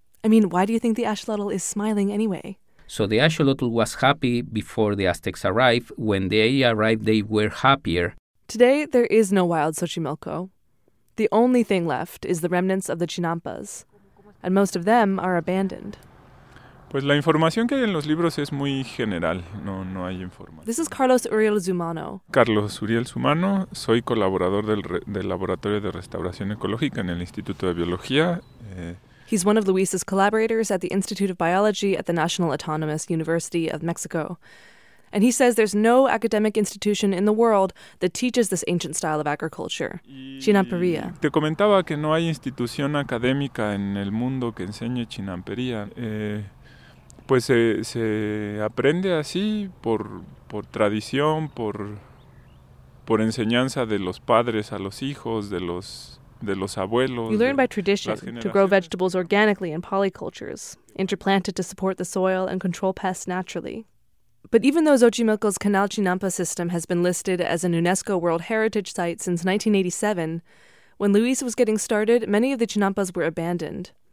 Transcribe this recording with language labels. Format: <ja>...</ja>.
<en>I mean, why do you think the axolotl is smiling anyway? So the axolotl was happy before the Aztecs arrived. When they arrived, they were happier. Today, there is no wild Xochimilco. The only thing left is the remnants of the chinampas, and most of them are abandoned.</en> <es>Pues la información que hay en los libros es muy general, no hay información.</es> <en>This is Carlos Uriel Zumano.</en> <es>Carlos Uriel Zumano, soy colaborador del Laboratorio de Restauración Ecológica en el Instituto de Biología.</es> <en>He's one of Luis's collaborators at the Institute of Biology at the National Autonomous University of Mexico. And he says there's no academic institution in the world that teaches this ancient style of agriculture, chinampería.</en> <es>Te comentaba que no hay institución académica en el mundo que enseñe chinampería. Pues se aprende así por tradición, por enseñanza de los padres a los hijos, de los abuelos.</es> <en>You learn by tradition to grow vegetables organically in polycultures, interplanted to support the soil and control pests naturally. But even though Xochimilco's Canal Chinampa system has been listed as an UNESCO World Heritage Site since 1987, when Luis was getting started, many of the chinampas were abandoned.</en>